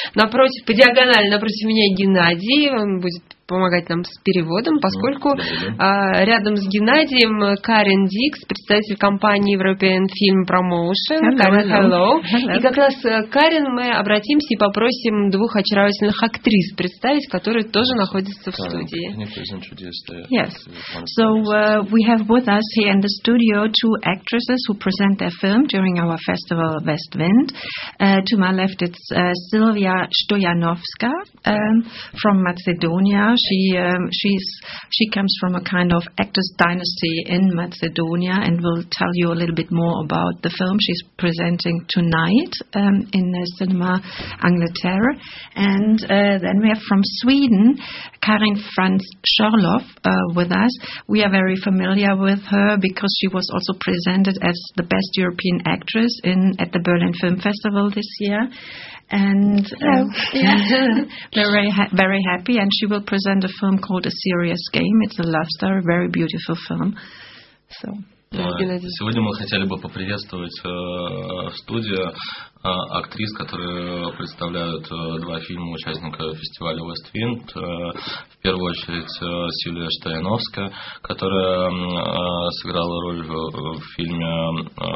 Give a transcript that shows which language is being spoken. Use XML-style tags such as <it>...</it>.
<ru>Напротив, по диагонали напротив меня Геннадий, он будет помогать нам с переводом, поскольку рядом с Геннадием Карен Дикс, представитель компании European Film Promotion.</ru> <en>Карен, hello.</en> <ru>И как раз Карен мы обратимся и попросим двух очаровательных актрис представить, которые тоже находятся в студии.</ru> <en>Yes. So we have with us here in the studio two actresses who present their film during our festival West Wind. To my left it's Silvia Stojanovska from Macedonia. She comes from a kind of actors dynasty in Macedonia and will tell you a little bit more about the film she's presenting tonight in the Cinema Angleterre. And then we have from Sweden Karin Franz Sherloff with us. We are very familiar with her because she was also presented as the best European actress at the Berlin Film Festival this year. And very happy, and she will present a film called A Serious Game. It's a love story, a very beautiful film. So.</en> <ru>Сегодня мы хотели бы поприветствовать в студию актрис, которые представляют два фильма участника фестиваля West Wind. В первую очередь Сильвия Штояновска, которая сыграла роль в фильме</ru>